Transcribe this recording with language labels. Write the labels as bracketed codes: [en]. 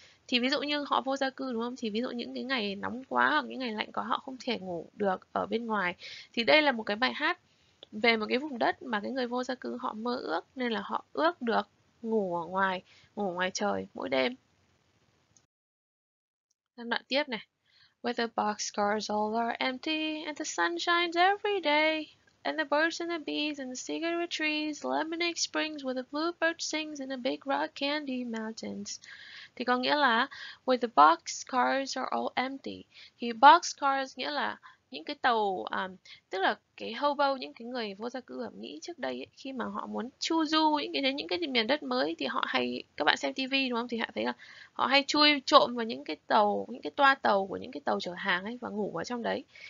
[vi] Thì ví dụ như họ vô gia cư đúng không? Thì ví dụ những cái ngày nóng quá hoặc những ngày lạnh quá họ không thể ngủ được ở bên ngoài. Thì đây là một cái bài hát về một cái vùng đất mà cái người vô gia cư họ mơ ước, nên là họ ước được ngủ ở ngoài, ngủ ngoài trời mỗi đêm. Đoạn tiếp này. [en] Where the boxcars all are empty and the sun shines every day and the birds and the bees and the cigarette trees, lemonade springs where the bluebird sings and the big rock candy mountains. [vi] Thì có nghĩa là [en] where the boxcars are all empty. [vi] Thì boxcars nghĩa là những cái tàu, tức là cái hobo, những cái người vô gia cư ở Mỹ trước đây ấy, khi mà họ muốn chu du những cái miền đất mới thì họ hay, các bạn xem TV đúng không, thì họ thấy là họ hay chui trộm vào những cái tàu, những cái toa tàu của những cái tàu chở hàng ấy và ngủ ở trong đấy.